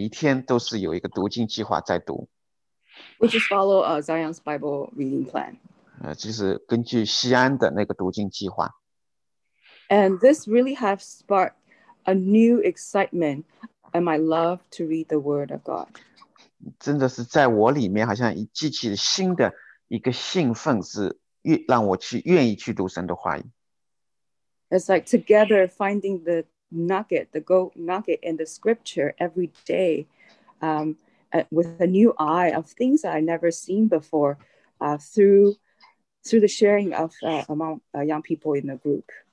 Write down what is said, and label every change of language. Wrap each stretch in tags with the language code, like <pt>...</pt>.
<zh>就像Tini刚才所讲的，就是年轻人，我们年轻人这个小组，就是我们每一天都是有一个读经计划在读。</zh> <en>Which is follow Zion's Bible reading plan.</en> <zh>就是根据西安的那个读经计划。</zh> <en>And this really has sparked a new excitement and my love to read the Word of God.</en> <zh>真的是在我里面好像激起新的一个兴奋，是让我去愿意去读神的话语。</zh> <en>It's like together finding the nugget, the gold nugget in the scripture every day with a new eye of things that I never seen before through the sharing of among young people in the group.</en>